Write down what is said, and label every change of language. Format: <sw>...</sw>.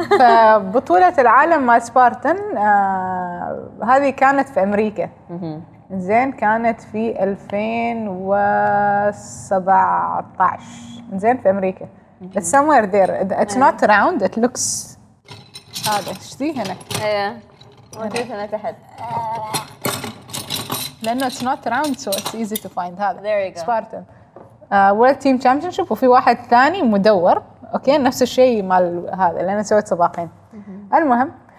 <ar>فبطولة العالم مال سبارتن هذه كانت في أمريكا زين كانت في 2017 زين في أمريكا</ar> <en>but somewhere there it's not round it looks</en> <ar>هذا شتي هنا ايه موجود هنا تحت لأنه</ar> <en>it's not round so it's easy to find</en> <ar>هذا</ar> <en>there you go</en> <ar>Spartan World Team Championship وفي واحد ثاني مدور أوكي نفس الشيء مال هذا لأن سويت سباقين المهم</ar>